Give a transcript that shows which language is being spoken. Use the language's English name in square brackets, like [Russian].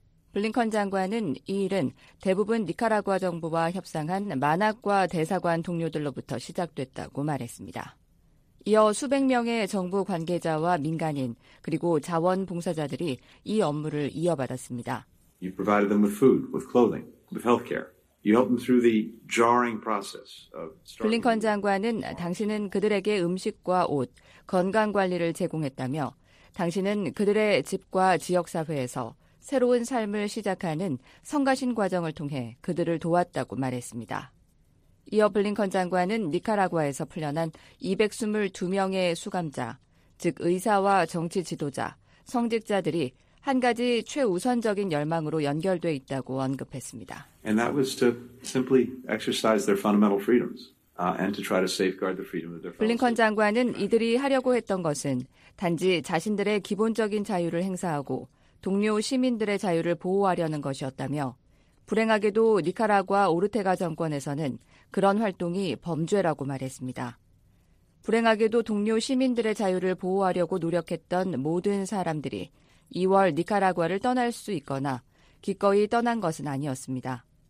[Korean] 블링컨 장관은 이 일은 대부분 니카라과 정부와 협상한 만악과 대사관 동료들로부터 시작됐다고 말했습니다. 이어 수백 명의 정부 관계자와 민간인 그리고 자원봉사자들이 이 업무를 이어받았습니다. [English] You provided them with food, with clothing, with healthcare. You helped them through the jarring process of. [Korean] 블링컨 장관은 당신은 그들에게 음식과 옷, 건강 관리를 제공했다며, 당신은 그들의 집과 지역 사회에서 새로운 삶을 시작하는 성가신 과정을 통해 그들을 도왔다고 말했습니다. 이어 블링컨 장관은 니카라과에서 풀려난 222명의 수감자, 즉 의사와 정치 지도자, 성직자들이 한 가지 최우선적인 열망으로 연결돼 있다고 언급했습니다. [English] And that was to simply exercise their fundamental freedoms and to try to safeguard the freedom of their fellow. [Korean] 블링컨 장관은 이들이 하려고 했던 것은 단지 자신들의 기본적인 자유를 행사하고 동료 시민들의 자유를 보호하려는 것이었다며 불행하게도 니카라과 오르테가 정권에서는 그런 활동이 범죄라고 말했습니다. 불행하게도 동료 시민들의 자유를 보호하려고 노력했던 모든 사람들이 2월 니카라과를 떠날 수 있거나 기꺼이 떠난 것은 아니었습니다.